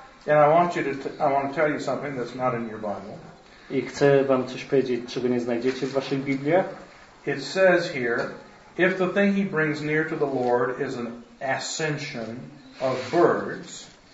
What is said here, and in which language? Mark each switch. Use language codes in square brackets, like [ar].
[en] And I want to tell you something that's not in your Bible. [pl] I chcę wam coś powiedzieć, czego nie znajdziecie w waszej Biblii. [en] It says here, if the thing he brings near to the Lord is an ascension of birds,